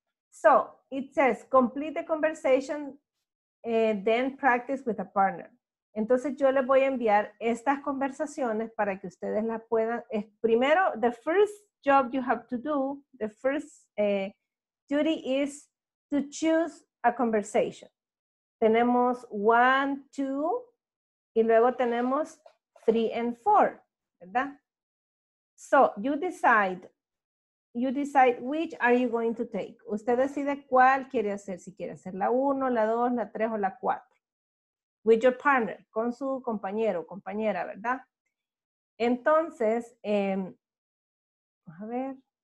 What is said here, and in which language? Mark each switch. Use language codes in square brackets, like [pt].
[en] So, it says, complete the conversation, then practice with a partner. [es] Entonces yo les voy a enviar estas conversaciones para que ustedes las puedan... Primero, [en] the first job you have to do, the first... duty is to choose a conversation. [es] Tenemos 1, 2, y luego tenemos 3 and 4, ¿verdad? [en] So, you decide which are you going to take. [es] Usted decide cuál quiere hacer, si quiere hacer la 1, la 2, la 3 o la 4. [en] With your partner, [es] con su compañero o compañera, ¿verdad? Entonces, vamos a ver.